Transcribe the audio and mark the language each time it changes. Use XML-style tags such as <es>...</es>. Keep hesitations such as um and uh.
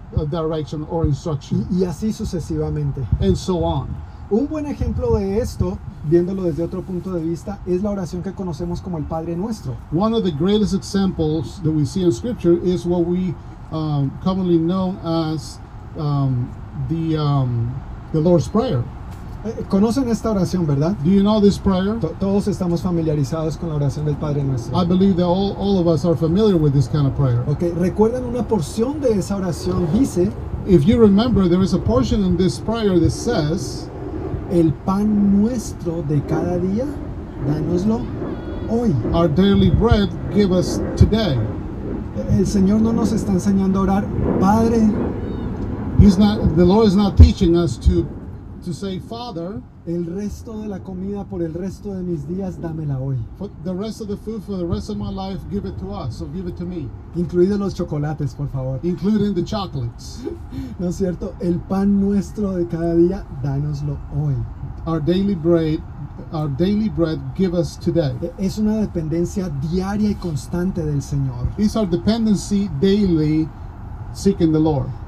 <en>direction</en> <es>Y, así sucesivamente.</es> <en>And so on.</en> <es>Un buen ejemplo de esto, viéndolo desde otro punto de vista, es la oración que conocemos como el Padre Nuestro.</es> <en>One of the greatest examples that we see in Scripture is what we um, commonly know as um, the, um, the Lord's Prayer.</en> <es>Eh, Conocen esta oración, ¿verdad?</es> <en>Do you know this prayer?</en> <es>T todos estamos familiarizados con la oración del Padre Nuestro.</es> <en>I believe that all, all of us are familiar with this kind of prayer.</en> <es>Okay, recuerdan una porción de esa oración dice.</es> <en>If you remember, there is a portion in this prayer that says.</en> <es>El pan nuestro de cada día, danoslo hoy.</es> <en>Our daily bread, give us today.</en> <es>El Señor no nos está enseñando a orar, Padre.</es> <en>He's not, the Lord is not teaching us to, to say, Father</en> <es>el resto de la comida por el resto de mis días, dámela hoy.</es> <en>For the rest of the food for the rest of my life, give it to us, so give it to me.</en> <es>Incluido los chocolates, por favor.</es> <en>Including the chocolates.</en> <es>¿No es cierto? El pan nuestro de cada día, dánoslo hoy.</es> <en>Our daily bread, our daily bread, give us today.</en> <es>Es una dependencia diaria y constante del Señor.</es> <en>It's our dependency daily. seeking the Lord.</en>